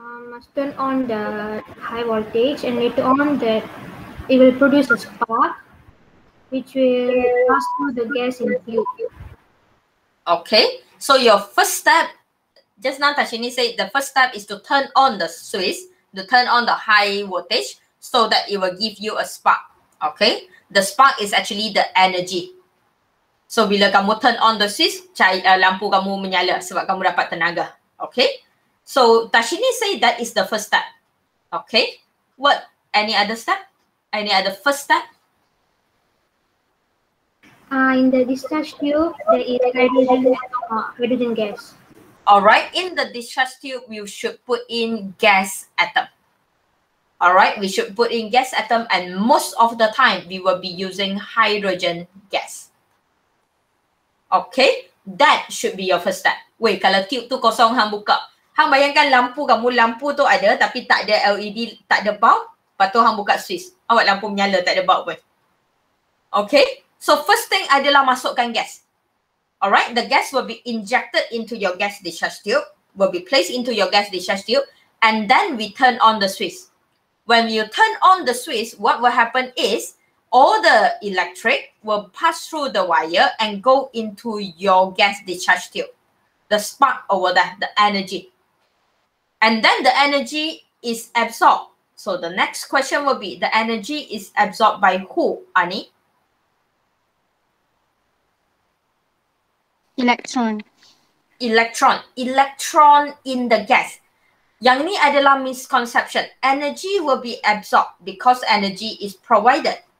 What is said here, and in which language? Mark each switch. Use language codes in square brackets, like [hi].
[en] Must turn on the high voltage and later on that it will produce a spark which will pass through the gas in the tube. Okay, so your first step, just now Tashini said the first step is to turn on the switch, to turn on the high voltage so that it will give you a spark. Okay, the spark is actually the energy. [ms] So bila kamu [en] turn on the switch, [ms] lampu kamu menyala sebab kamu dapat tenaga. [en] Okay. So, Tashini say that is the first step. Okay. What? Any other step? Any other first step? In the discharge tube, there is hydrogen gas. Alright. In the discharge tube, you should put in gas atom. Alright. We should put in gas atom and most of the time, we will be using hydrogen gas. Okay. That should be your first step. Wait, [ms] kalau tube tu kosong, hang buka. Hang bayangkan lampu kamu, lampu tu ada tapi tak ada LED, tak ada bulb. Lepas tu hang buka switch. Awak lampu menyala, tak ada bulb pun. Okay? [en] So first thing [ms] adalah masukkan gas. [en] Alright? The gas will be injected into your gas discharge tube. Will be placed into your gas discharge tube. And then we turn on the switch. When you turn on the switch, what will happen is all the electric will pass through the wire and go into your gas discharge tube. The spark over there, the energy. And then the energy is absorbed. So the next question will be, the energy is absorbed by who, Ani? Electron. Electron. Electron in the gas. [ms] Yang ni adalah misconception. [en] Energy will be absorbed because energy is provided.